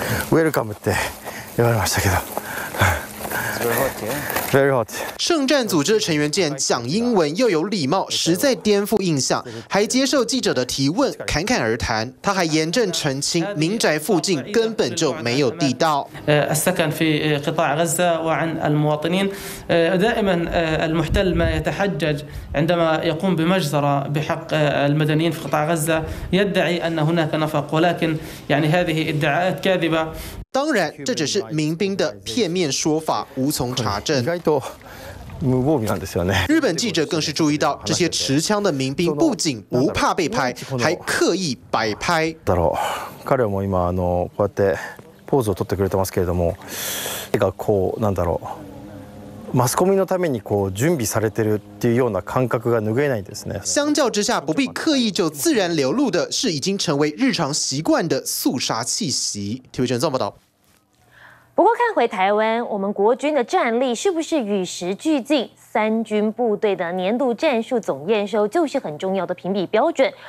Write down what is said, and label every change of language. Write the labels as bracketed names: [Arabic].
[Japanese] Welcome って言われましたけど。 [English] Very hot. [Chinese] 圣战组织的成员竟然讲英文又有礼貌，实在颠覆印象，还接受记者的提问，侃侃而谈。他还严正澄清，民宅附近根本就没有地道。 [Arabic] السكن في قطاع غزة وعن المواطنين دائما المحتل ما يتحجج عندما يقوم بمجزرة بحق المدنيين في قطاع غزة يدعي أن هناك نفق ولكن يعني هذه ادعاءات كاذبة。 [Chinese] 当然，这只是民兵的片面说法，无从查证。日本记者更是注意到，这些持枪的民兵不仅不怕被拍，还刻意摆拍。 [Japanese] 彼らも今こうやってポーズを取ってくれてますけれども、がこうなんだろう。マスコミのためにこう準備されてるっていうような感覚が拭えないですね。 [Chinese] 相较之下，不必刻意就自然流露的是已经成为日常习惯的肃杀气息。体育圈这么报道。不过看回台湾，我们国军的战力是不是与时俱进？三军部队的年度战术总验收就是很重要的评比标准。